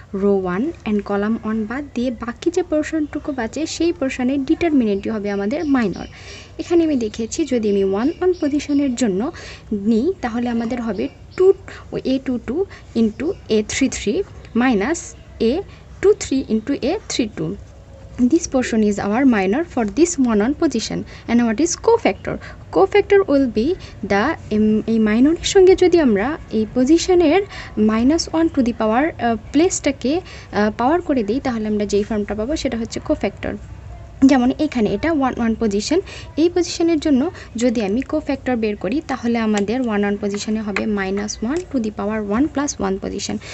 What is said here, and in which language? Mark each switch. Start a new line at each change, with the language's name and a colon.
Bangla: Rho one and column one বাদ দিয়ে বাকি যে পোর্শনটুকু বাঁচে সেই পোর্শনের ডিটারমিনেন্টই হবে আমাদের মাইনর। এখানে আমি দেখেছি যদি আমি ওয়ান ওয়ান পজিশনের জন্য নিই, তাহলে আমাদের হবে two A two two into A three three minus A two three into A three two.
English: This portion is our minor for this one on position. And what is cofactor? Cofactor will be the minor
Bangla: সঙ্গে যদি আমরা এই পজিশনের minus one to the পাওয়ার প্লেসটাকে পাওয়ার করে দিই, তাহলে আমরা যেই ফর্মটা পাবো সেটা হচ্ছে কোফ্যাক্টর। যেমন এখানে এটা ওয়ান ওয়ান পজিশন, এই পজিশনের জন্য যদি আমি কোফ্যাক্টর বের করি তাহলে আমাদের ওয়ান ওয়ান পজিশনে হবে minus one to the power one plus one position.